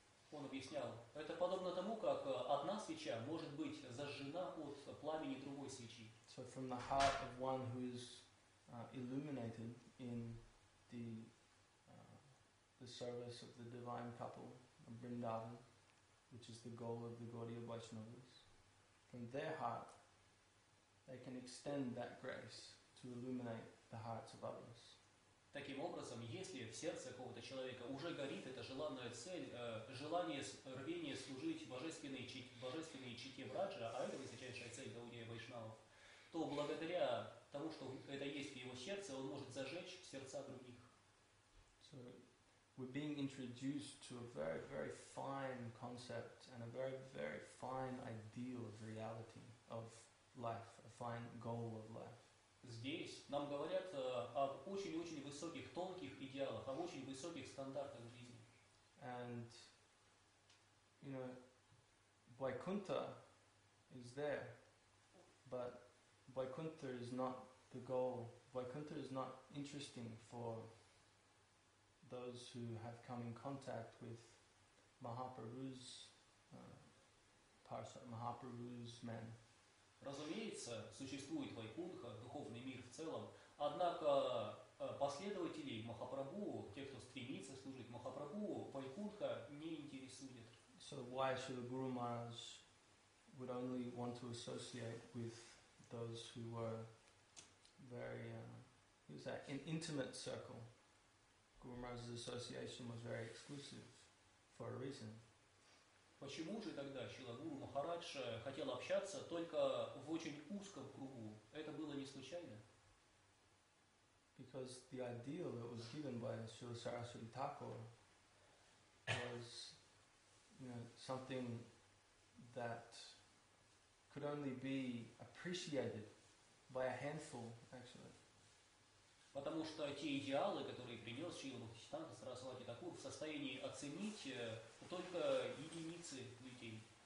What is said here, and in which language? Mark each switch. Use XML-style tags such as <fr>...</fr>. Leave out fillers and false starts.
<ru>Он объяснял, это подобно тому, как одна свеча может быть зажжена от пламени другой свечи.</ru> <en>So from the heart of one who is illuminated in the service of the divine couple, of Vrindavan, which is the goal of the Gaudiya Vaishnavas, from their heart, they can extend that grace to illuminate the hearts of others.</en> <ru>Таким образом, если в сердце какого-то человека уже горит эта желанная цель, желание, рвение служить божественной чите Враджа, а это высочайшая цель Гаудия Вайшнавов, то благодаря тому, что это есть в его сердце, он может зажечь сердца других.</ru> <en>So, we're being introduced to a very, very fine concept and a very, very fine ideal of reality, of life, a fine goal of life.</en> <ru>Здесь нам говорят об очень-очень высоких, тонких идеалах, об очень высоких стандартах жизни.</ru> <en>And, you know, Vaikuntha is there, but Vaikuntha is not the goal. Vaikuntha is not interesting for those who have come in contact with Mahaprabhu's Parsa, Mahaprabhu's men.</en> <ru>Разумеется, существует Вайкунха, духовный мир в целом, однако последователей Махапрабху, тех, кто стремится служить Махапрабху, Вайкунха не интересует.</ru> <en>So why should the Guru Maharaj would only want to associate with those who were very, in intimate circle? Guru Maharaj's association was very exclusive for a reason.</en> <ru>Почему же тогда Шрила Гуру Махарадж хотел общаться только в очень узком кругу? Это было не случайно.</ru> <en>Because the ideal that was given by Srila Saraswati Thakur was, something that could only be appreciated by a handful, actually.</en> <ru>Потому что те идеалы, которые принес Шрила Бхактисиддханта Сарасвати Такур, в состоянии оценить только единицы людей.</ru>